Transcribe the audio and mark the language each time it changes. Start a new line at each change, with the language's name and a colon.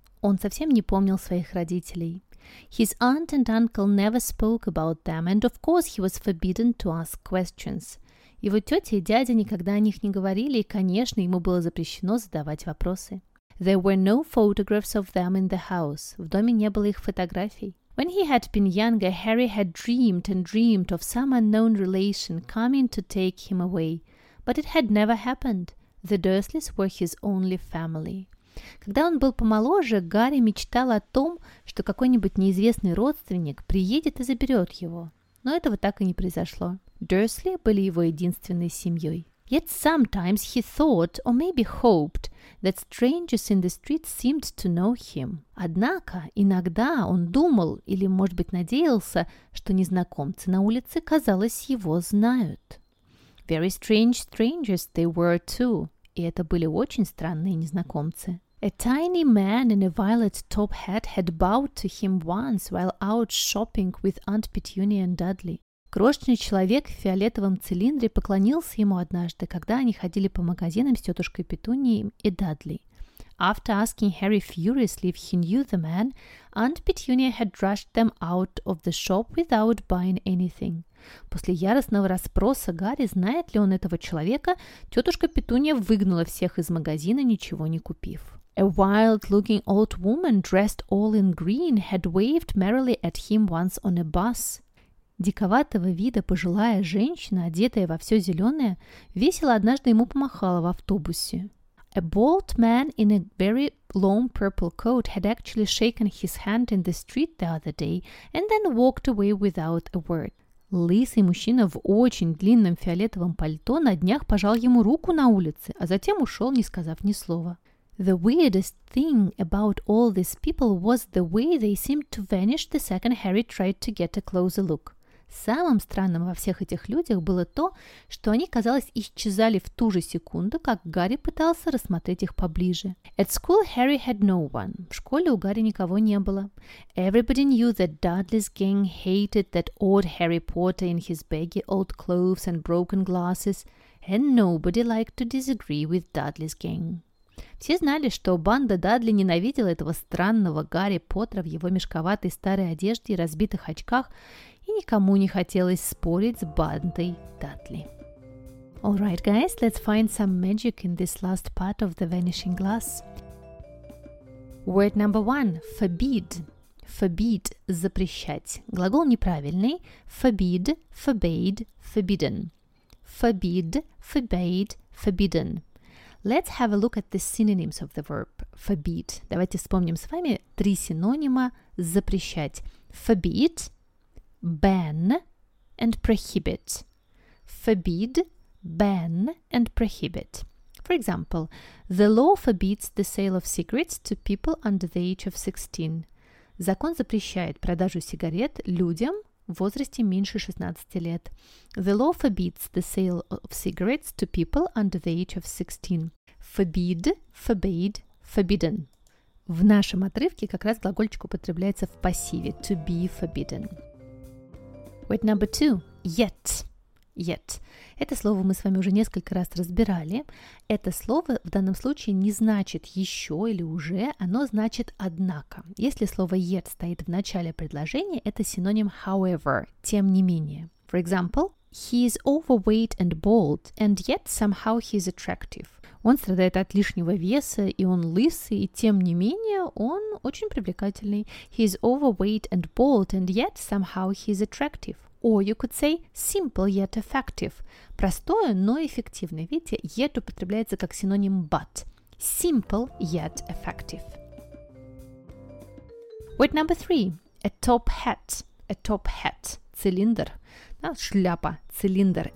Russian: Он совсем не помнил своих родителей.
English: His aunt and uncle never spoke about them, and of course he was forbidden to ask questions.
Russian: Его тетя и дядя никогда о них не говорили, и, конечно, ему было запрещено задавать вопросы.
English: There were no photographs of them in the house.
Russian: В доме не было их фотографий.
English: When he had been younger, Harry had dreamed and dreamed of some unknown relation coming to take him away. But it had never happened. The Dursleys were his only family.
Russian: Когда он был помоложе, Гарри мечтал о том, что какой-нибудь неизвестный родственник приедет и заберет его. Но этого так и не произошло. Дурсли были его единственной семьей.
English: Yet sometimes he thought, or maybe hoped, that strangers in the street seemed to know him.
Russian: Однако, иногда он думал, или, может быть, надеялся, что незнакомцы на улице, казалось, его знают.
English: Very strange strangers they were too.
Russian: И это были очень странные незнакомцы.
English: A tiny man in a violet top hat had bowed to him once while out shopping with Aunt Petunia and Dudley.
Russian: Крошечный человек в фиолетовом цилиндре поклонился ему однажды, когда они ходили по магазинам с тетушкой Петунией и Дадли.
English: After asking Harry furiously if he knew the man, Aunt Petunia had rushed them out of the shop without buying anything.
Russian: После яростного расспроса Гарри, знает ли он этого человека, тетушка Петунья выгнала всех из магазина, ничего не купив.
English: A wild-looking old woman dressed all in green had waved merrily at him once on a bus.
Russian: Диковатого вида пожилая женщина, одетая во все зеленое, весело однажды ему помахала в автобусе.
English: A bald man in a very long purple coat had actually shaken his hand in the street the other day and then walked away without a word.
Russian: Лысый мужчина в очень длинном фиолетовом пальто на днях пожал ему руку на улице, а затем ушел, не сказав ни слова.
English: The weirdest thing about all these people was the way they seemed to vanish the second Harry tried to get a closer look.
Russian: Самым странным во всех этих людях было то, что они, казалось, исчезали в ту же секунду, как Гарри пытался рассмотреть их поближе.
English: At school Harry had no one.
Russian: В школе у Гарри никого не было.
English: Everybody knew that Dudley's gang hated that odd Harry Potter in his baggy old clothes and broken glasses, and nobody liked to disagree with Dudley's gang.
Russian: Все знали, что банда Дадли ненавидела этого странного Гарри Поттера в его мешковатой старой одежде и разбитых очках, и никому не хотелось спорить с бандой Дадли.
English: All right, guys, let's find some magic in this last part of the Vanishing Glass. Word number one – forbid. Forbid – запрещать.
Russian: Глагол неправильный.
English: Forbid – forbade – forbidden. Forbid – forbade – forbidden. Let's have a look at the synonyms of the verb forbid.
Russian: Давайте вспомним с вами три синонима запрещать.
English: Forbid, ban, and prohibit. Forbid, ban, and prohibit. For example, the law forbids the sale of cigarettes to people under the age of 16.
Russian: Закон запрещает продажу сигарет людям в возрасте меньше 16 лет.
English: The law forbids the sale of cigarettes to people under the age of 16. Forbid, forbade, forbidden.
Russian: В нашем отрывке как раз глагольчик употребляется в пассиве.
English: To be forbidden. Word number two. Yet. Yet.
Russian: Это слово мы с вами уже несколько раз разбирали. Это слово в данном случае не значит еще или уже. Оно значит однако. Если слово yet стоит в начале предложения, это синоним however, тем не менее.
English: For example, he is overweight and bald, and yet somehow he is attractive.
Russian: Он страдает от лишнего веса, и он лысый, и тем не менее он очень привлекательный.
English: He is overweight and bald, and yet somehow he is attractive. Or you could say simple yet effective.
Russian: Простое, но эффективное. Видите, yet употребляется как синоним but.
English: Simple yet effective. Word number three. A top hat. A top hat.
Russian: Цилиндр. Да, шляпа. Цилиндр.